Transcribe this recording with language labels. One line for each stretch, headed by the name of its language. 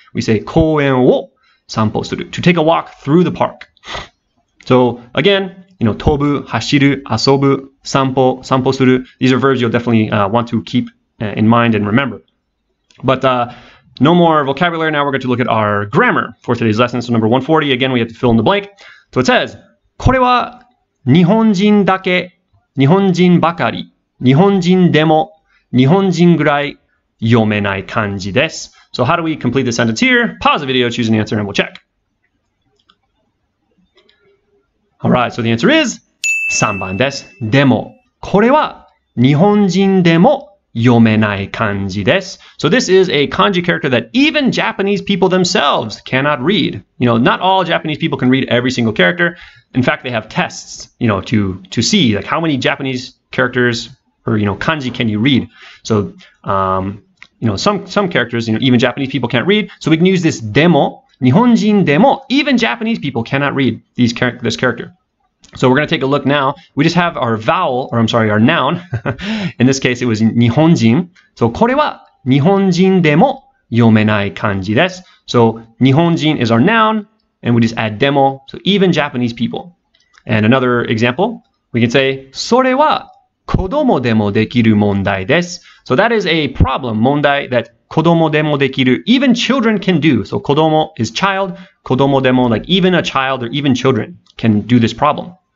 English: We say
Japanese: 公園を散歩する,
English: to take a walk through the park. So again, you know,
Japanese: 飛ぶ, 走る, 遊ぶ, 散歩, 散歩する.
English: These are verbs you'll definitely want to keep in mind and remember. But no more vocabulary. Now we're going to look at our grammar for today's lesson. So number 140, again, we have to fill in the blank. So it says,
Japanese: これは 日本人だけ, 日本人ばかり, 日本人でも, 日本人ぐらい読めない漢字です.
English: So how do we complete the sentence here? Pause the video, choose an answer, and we'll check. All right, so the answer is
Japanese: 3番です. でも, これは日本人でも読めない漢字です.
English: So this is a kanji character that even Japanese people themselves cannot read. You know, not all Japanese people can read every single character. In fact, they have tests, you know, to see like how many Japanese characters or, you know, kanji can you read. So, you know, some characters, you know, even Japanese people can't read. So we can use this demo,
Japanese: 日本人でも,
English: even Japanese people cannot read these this character. So we're going to take a look now. We just have our vowel, or I'm sorry, our noun. In this case, it was 日本人.
Japanese: So これは日本人でも読めない漢字です.
English: So 日本人 is our noun. And we just add demo, so even Japanese people. And another example, we can say,
Japanese: それは子供でもできる問題です.
English: So that is a problem, 問題, that
Japanese: 子供でもできる,
English: even children can do. So 子供 is child, 子供でも, like even a child or even children can do this problem.